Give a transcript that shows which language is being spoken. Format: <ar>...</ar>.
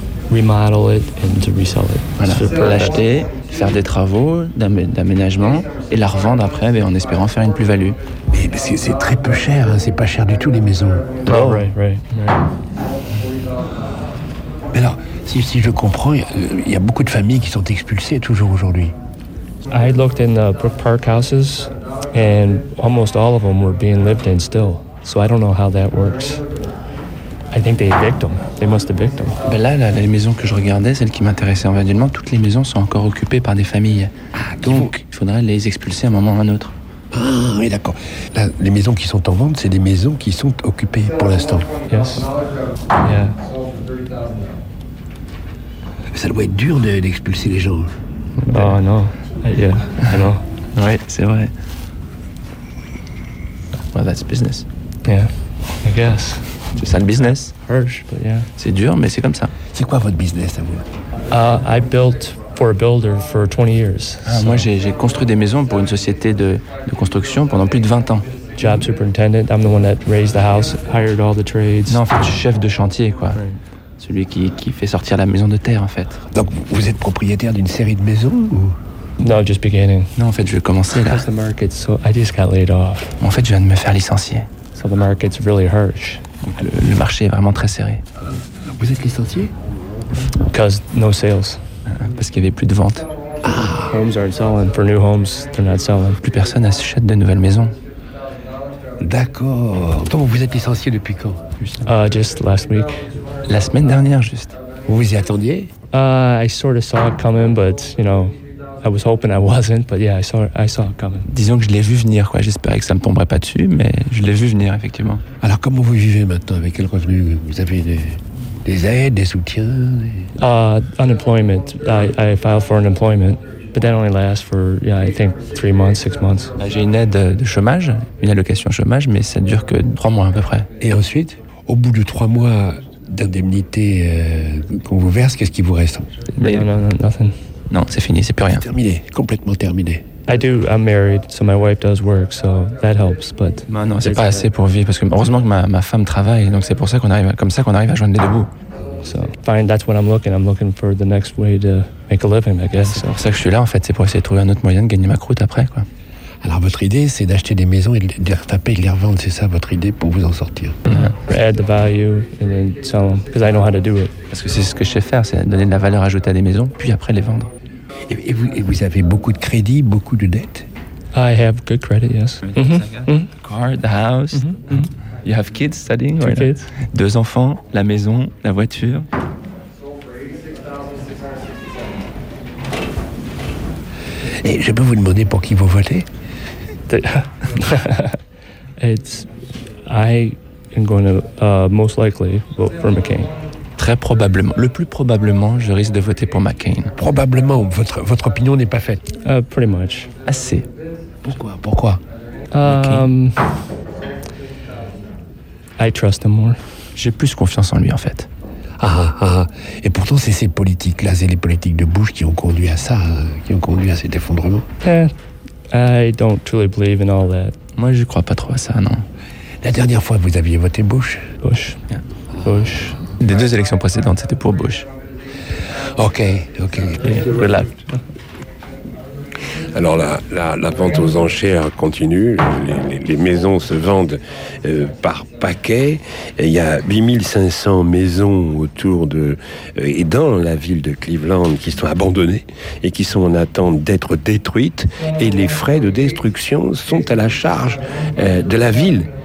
<en>Remodel it and to resell it.</en> <fr>Voilà, pour l'acheter, faire des travaux d'aménagement et la revendre après en espérant faire une plus-value. Mais c'est très peu cher, hein. C'est pas cher du tout les maisons.</fr> <en>Oh, right.</en> <fr>Mais alors, si je comprends, il y a beaucoup de familles qui sont expulsées toujours aujourd'hui.</fr> <en>I looked in the Brook Park houses and almost all of them were being lived in still. So I don't know how that works. I think they evict them. They must evict them.</en> <fr>Ben là, les maisons que je regardais, celles qui m'intéressaient individuellement, toutes les maisons sont encore occupées par des familles. Ah, donc il faudra les expulser à un moment ou à un autre. Ah, oui, d'accord. Là, les maisons qui sont en vente, c'est des maisons qui sont occupées pour l'instant.</fr> <en>Yes. Yeah.</en> <fr>Ça doit être dur d'expulser les gens.</fr> <en>Oh,</en> <fr>non.</fr> <en>Yeah, I know.</en> <fr>Oui, c'est vrai.</fr> <en>Well, that's business. Yeah, I guess.</en> <fr>C'est ça le business.</fr> <en>Harsh, but yeah.</en> <fr>C'est dur, mais c'est comme ça. C'est quoi votre business à vous?</fr> <en>I built for a builder for 20 years. Ah, so.</en> <fr>Moi, j'ai construit des maisons pour une société de construction pendant plus de 20 ans.</fr> <en>Job superintendent, I'm the one that raised the house, hired all the trades.</en> <fr>Non, en fait, je suis chef de chantier, quoi.</fr> <en>Right.</en> <fr>Celui qui fait sortir la maison de terre, en fait. Donc, vous êtes propriétaire d'une série de maisons ou?</fr> <en>No, just beginning.</en> <fr>Non, en fait, je vais commencer là.</fr> <en>The market, so I just got laid off.</en> <fr>En fait, je viens de me faire licencier.</fr> <en>So the market's really harsh.</en> <fr>Le marché est vraiment très serré. Vous êtes licencié?</fr> <en>Because no sales.</en> <fr>Parce qu'il y avait plus de ventes.</fr> <en>Ah. Homes aren't selling. For new homes, they're not selling.</en> <fr>Plus personne n'achète de nouvelles maisons. D'accord. Donc vous êtes licencié depuis quand?</fr> <en>Just last week.</en> <fr>La semaine dernière, juste. Vous vous y attendiez?</fr> <en>I sort of saw it coming, but you know, I was hoping I wasn't. But yeah, I saw it coming.</en> <fr>Disons que je l'ai vu venir, quoi. J'espérais que ça me tomberait pas dessus, mais je l'ai vu venir effectivement. Alors comment vous vivez maintenant? Avec quel revenu? Vous avez des aides, des soutiens?</fr> <en>Unemployment. I filed for unemployment, but that only lasts for, yeah, I think 3 months, 6 months.</en> <fr>J'ai une aide de chômage, une allocation chômage, mais ça ne dure que 3 mois à peu près. Et ensuite, au bout de 3 mois d'indemnité qu'on vous verse, qu'est-ce qui vous reste?</fr> <en>No, nothing.</en> <fr>Non, c'est fini, c'est plus rien. Terminé, complètement terminé.</fr> <en>I do, I'm married, so my wife does work, so that helps, but...</en> <fr>Bah non, c'est pas assez pour vivre, parce que heureusement que ma femme travaille, donc c'est pour ça qu'on arrive, comme ça qu'on arrive à joindre les deux bouts.</fr> <en>So, fine, that's what I'm looking for the next way to make a living, I guess.</en> <fr>C'est pour ça que je suis là, en fait, c'est pour essayer de trouver un autre moyen de gagner ma croûte après, quoi. Alors votre idée, c'est d'acheter des maisons et de les retaper et de les revendre, c'est ça votre idée pour vous en sortir?</fr> <en>Add the value and then sell them, because I know how to do it.</en> <fr>Parce que c'est ce que je sais faire, c'est donner de la valeur ajoutée à des maisons, puis après les vendre. Et vous avez beaucoup de crédit, beaucoup de dettes?</fr> <en>I have good credit, yes. Mm-hmm. Car, the house. Mm-hmm. You have kids studying? Two kids.</en> <fr>Deux enfants, la maison, la voiture. Et je peux vous demander pour qui vous votez?</fr> <en>I am going to most likely vote for McCain.</en> <fr>Très probablement, le plus probablement, je risque de voter pour McCain. Probablement, votre opinion n'est pas faite.</fr> <en>Pretty much.</en> <fr>Assez. Pourquoi?</fr> <en>I trust him more.</en> <fr>J'ai plus confiance en lui, en fait. Ah. Et pourtant, c'est ces politiques-là, c'est les politiques de Bush qui ont conduit à ça, qui ont conduit à cet effondrement.</fr> <en>I don't truly believe in all that.</en> <fr>Moi, je crois pas trop à ça, non. La dernière fois, vous aviez voté Bush.</fr> <en>Bush. Yeah. Bush.</en> <fr>Des deux élections précédentes, c'était pour Bush.</fr> <en>Ok, ok. Relax.</en> <fr>Alors la vente aux enchères continue, les maisons se vendent par paquets, il y a 8500 maisons autour de et dans la ville de Cleveland qui sont abandonnées et qui sont en attente d'être détruites, et les frais de destruction sont à la charge de la ville.</fr>